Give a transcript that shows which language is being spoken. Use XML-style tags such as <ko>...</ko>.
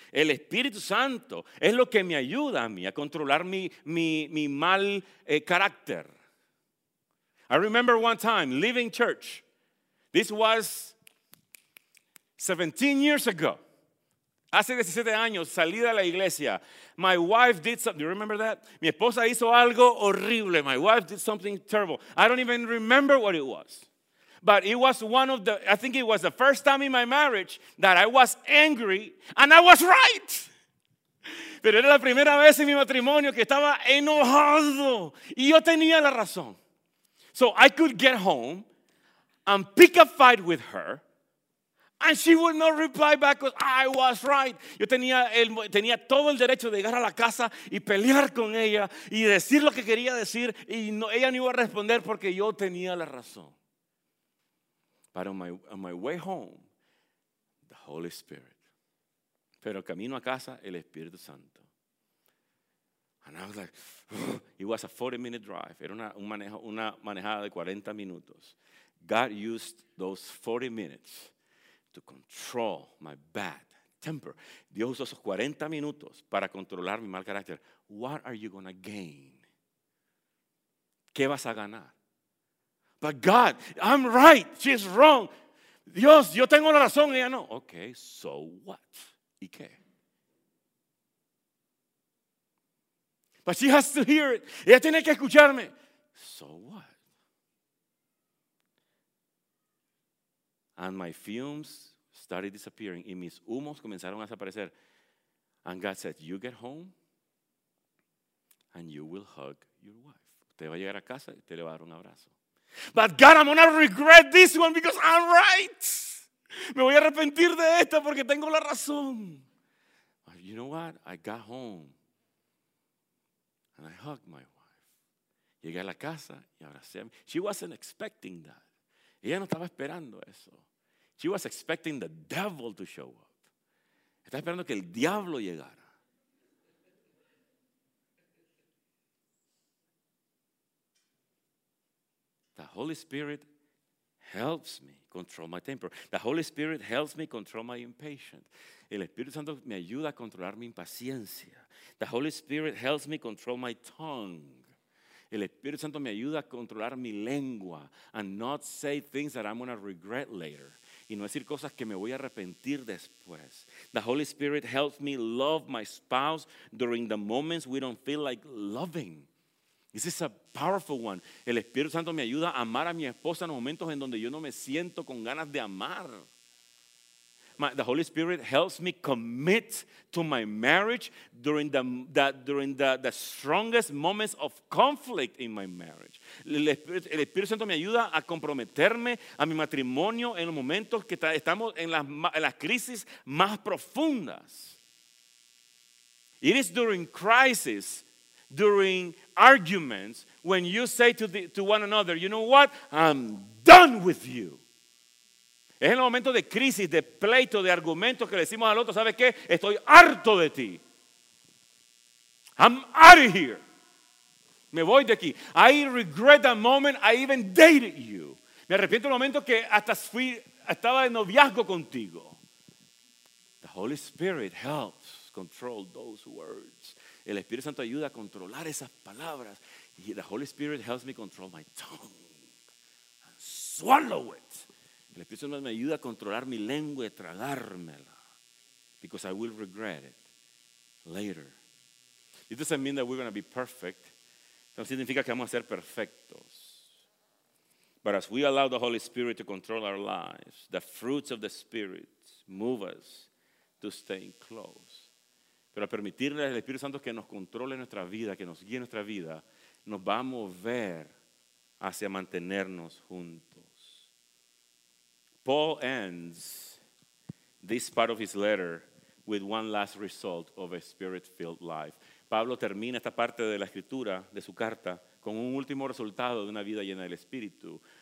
<es>El Espíritu Santo es lo que me ayuda a mí a controlar mi mal carácter.</es> <en>I remember one time leaving church. This was 17 years ago,</en> <es>hace 17 años, salí de la iglesia.</es> <en>My wife did something, do you remember that?</en> <es>Mi esposa hizo algo horrible.</es> <en>My wife did something terrible. I don't even remember what it was. But it was one of the, I think it was the first time in my marriage that I was angry and I was right.</en> <es>Pero era la primera vez en mi matrimonio que estaba enojado y yo tenía la razón.</es> <en>So I could get home and pick a fight with her. And she would not reply back because I was right.</en> <es>Yo tenía todo el derecho de llegar a la casa y pelear con ella y decir lo que quería decir y no, ella no iba a responder porque yo tenía la razón.</es> <en>But on my way home, the Holy Spirit.</en> <es>Pero camino a casa, el Espíritu Santo.</es> <en>And I was like, it was a 40-minute drive.</en> <es>Era una manejada de 40 minutos.</es> <en>God used those 40 minutes to control my bad temper.</en> <es>Dios usó esos 40 minutos para controlar mi mal carácter.</es> <en>What are you going to gain?</en> <es>¿Qué vas a ganar?</es> <en>But God, I'm right. She's wrong.</en> <es>Dios, yo tengo la razón y ella no.</es> <en>Okay, so what?</en> <es>¿Y qué?</es> <en>But she has to hear it.</en> <es>Ella tiene que escucharme.</es> <en>So what? And my fumes started disappearing.</en> <es>Y mis humos comenzaron a desaparecer.</es> <en>And God said, you get home and you will hug your wife.</en> <es>Usted va a llegar a casa y usted le va a dar un abrazo.</es> <en>But God, I'm going to regret this one because I'm right.</en> <es>Me voy a arrepentir de esta porque tengo la razón.</es> <en>You know what? I got home and I hugged my wife.</en> <es>Llegué a la casa y abracé a mí.</es> <en>She wasn't expecting that.</en> <es>Ella no estaba esperando eso.</es> <en>She was expecting the devil to show up.</en> <es>Estaba esperando que el diablo llegara.</es> <en>The Holy Spirit helps me control my temper. The Holy Spirit helps me control my impatience.</en> <es>El Espíritu Santo me ayuda a controlar mi impaciencia.</es> <en>The Holy Spirit helps me control my tongue.</en> <es>El Espíritu Santo me ayuda a controlar mi lengua</es> <en>and not say things that I'm going to regret later.</en> <es>Y no decir cosas que me voy a arrepentir después.</es> <en>The Holy Spirit helps me love my spouse during the moments we don't feel like loving. This is a powerful one.</en> <es>El Espíritu Santo me ayuda a amar a mi esposa en momentos en donde yo no me siento con ganas de amar.</es> <en>The Holy Spirit helps me commit to my marriage during the strongest moments of conflict in my marriage.</en> <es>El Espíritu Santo me ayuda a comprometerme a mi matrimonio en los momentos que estamos en las crisis más profundas.</es> <en>It is during crisis, during arguments, when you say to one another, you know what, I'm done with you.</en> <es>Es en el momento de crisis, de pleito, de argumentos que le decimos al otro, ¿sabes qué? Estoy harto de ti.</es> <en>I'm out of here.</en> <es>Me voy de aquí.</es> <en>I regret the moment I even dated you.</en> <es>Me arrepiento del momento que hasta estaba en noviazgo contigo.</es> <en>The Holy Spirit helps control those words.</en> <es>El Espíritu Santo ayuda a controlar esas palabras.</es> <en>The Holy Spirit helps me control my tongue and swallow it.</en> <es>El Espíritu Santo me ayuda a controlar mi lengua y tragármela.</es> <en>Because I will regret it later. It doesn't mean that we're going to be perfect.</en> <es>No significa que vamos a ser perfectos.</es> <en>But as we allow the Holy Spirit to control our lives, the fruits of the Spirit move us to stay close.</en> <es>Pero al permitirle al Espíritu Santo que nos controle nuestra vida, que nos guíe nuestra vida, nos va a mover hacia mantenernos juntos.</es> <en>Paul ends this part of his letter with one last result of a spirit-filled life.</en> <es>Pablo termina esta parte de la escritura de su carta con un último resultado de una vida llena del Espíritu.</es>